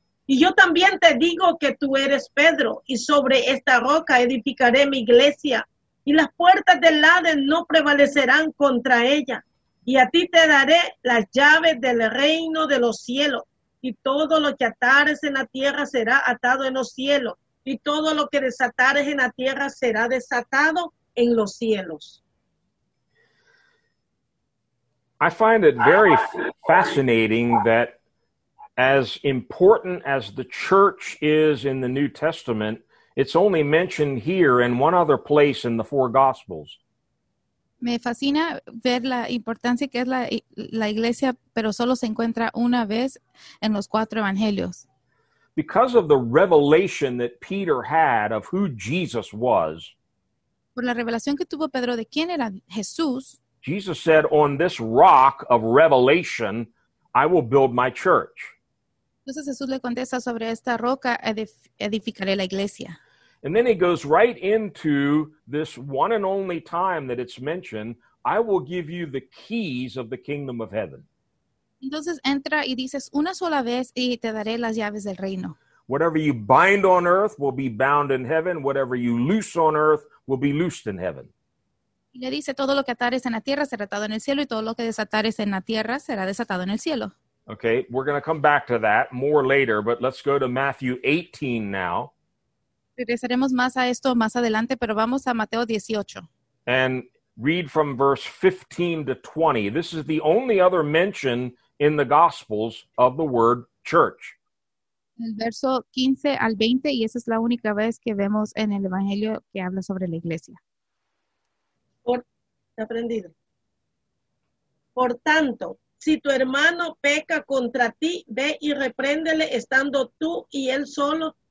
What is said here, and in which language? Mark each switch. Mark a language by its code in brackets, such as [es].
[es] Y yo también te digo que tú eres Pedro, y sobre esta roca edificaré mi iglesia, y las puertas del Hades no prevalecerán contra ella. Y a ti te daré las llaves del reino de los cielos, y todo lo que atares en la tierra será atado en los cielos, y todo lo que desatares en la tierra será desatado en los cielos. [en] I find it very fascinating that as important as the church is in the New Testament, it's only mentioned here in one other place in the four Gospels. [es] Me fascina ver la importancia que es la iglesia, pero solo se encuentra una vez en los cuatro evangelios. [en] Because of the revelation that Peter had of who Jesus was, [es] por la revelación que tuvo Pedro de quién era Jesús, [en] Jesus said, on this rock of revelation, I will build my church. [es] Entonces Jesús le contesta sobre esta roca, edificaré la iglesia. [en] And then he goes right into this one and only time that it's mentioned, I will give you the keys of the kingdom of heaven. [es] Entonces entra y dices una sola vez y te daré las llaves del reino. [en] Whatever you bind on earth will be bound in heaven. Whatever you loose on earth will be loosed in heaven. [es] Y le dice todo lo que atares en la tierra será atado en el cielo y todo lo que desatares en la tierra será desatado en el cielo. [en] Okay, we're going to come back to that more later, but let's go to Matthew 18 now. [es] Regresaremos más a esto más adelante, pero vamos a Mateo 18. [en] And read from verse 15 to 20. This is the only other mention in the Gospels of the word church. [es] El verso 15 al 20, y esa es la única vez que vemos en el Evangelio que habla sobre la iglesia. Por tanto, si tu hermano peca contra ti, ve y repréndele estando tú y él solo.